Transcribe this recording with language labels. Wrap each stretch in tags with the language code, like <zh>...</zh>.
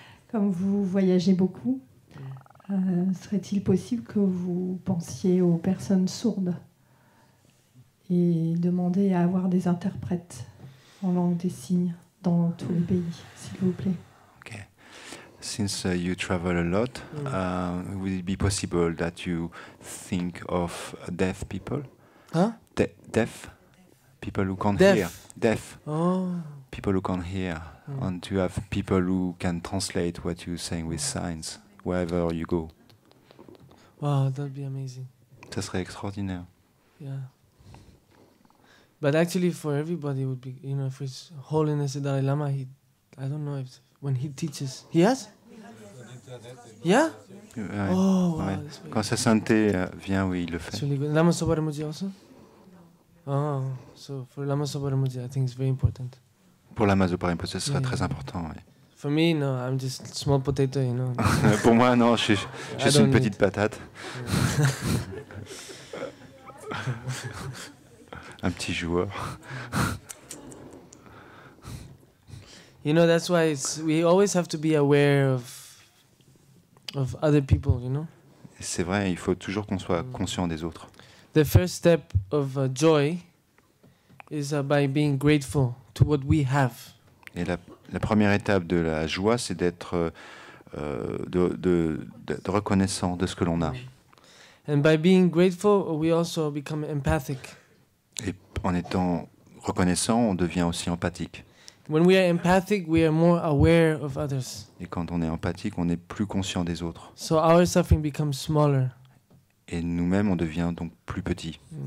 <fr>Comme vous voyagez beaucoup, serait-il possible que vous pensiez aux personnes sourdes et demandiez à avoir des interprètes en langue des signes dans tous les pays, s'il vous plaît.</fr> <en>Okay. Since you travel a lot, would it be possible that you think of deaf people? Huh? Deaf people who can't hear. Deaf. Oh. People who can't hear. Mm. And to have people who can translate what you're saying with signs wherever you go. Wow, that'd be amazing.</en> <fr>Ça serait extraordinaire.</fr> <en>Yeah. But actually, for everybody, it would be, you know, if it's Holiness the Dalai Lama, I don't know if when he teaches, he has? Yeah?</en> <fr>Ouais.</fr> <en>Oh, wow.</en> <fr>Ouais. Quand sa santé vient, oui, il le fait.</fr> <en>Really Lama Sobaramuji also? Oh, so for Lama Sobaramuji, I think it's very important.</en> <fr>Pour Lama Sobaramuji, ce serait très important, oui.</fr> <en>For me, no, I'm just small potato, you know.</en> <fr>Pour moi, non, je suis une petite patate. Un petit joueur.</fr> <en>You know, that's why we always have to be aware of other people, you know.</en> <fr>C'est vrai, il faut toujours qu'on soit conscient des autres.</fr> <en>The first step of joy is by being grateful to what we have.</en> <fr>Et la première étape de la joie, c'est d'être de reconnaissant de ce que l'on a.</fr> <en>And by being grateful, we also become empathic.</en> <fr>Et en étant reconnaissant, on devient aussi empathique.</fr> <en>When we are empathic, we are more aware of others.</en> <fr>Et quand on est empathique, on est plus conscient des autres.</fr> <en>So our suffering becomes smaller.</en> <fr>Et nous-mêmes, on devient donc plus petit.</fr>